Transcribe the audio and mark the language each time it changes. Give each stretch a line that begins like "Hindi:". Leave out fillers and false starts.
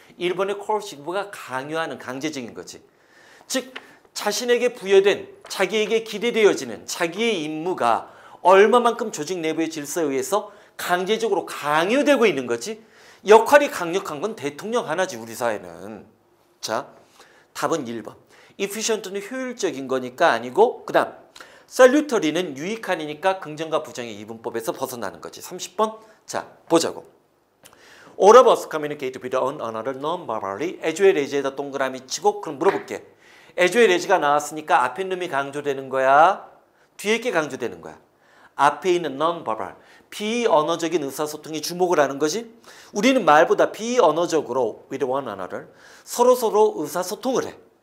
Korean: 일본의 코어시브가 강요하는 강제적인 거지. 즉 자신에게 부여된, 자기에게 기대되어지는 자기의 임무가 얼마만큼 조직 내부의 질서에 의해서 강제적으로 강요되고 있는 거지. 역할이 강력한 건 대통령 하나지 우리 사회는. 자, 답은 1번. efficient는 효율적인 거니까 아니고, 그 다음 salutary는 유익한이니까 긍정과 부정의 이분법에서 벗어나는 거지. 30번. 자, 보자고.
English: All of us communicate with another non-verbally.
Korean: As well as에다 동그라미 치고 그럼 물어볼게. As well as가 나왔으니까 앞에 놈이 강조되는 거야? 뒤에 게 강조되는 거야? 앞에 있는 non-verbal. 비언어적인 의사소통이 주목을 하는 거지. 우리는 말보다 비언어적으로
English: with one another
Korean: 서로서로 의사소통을 해.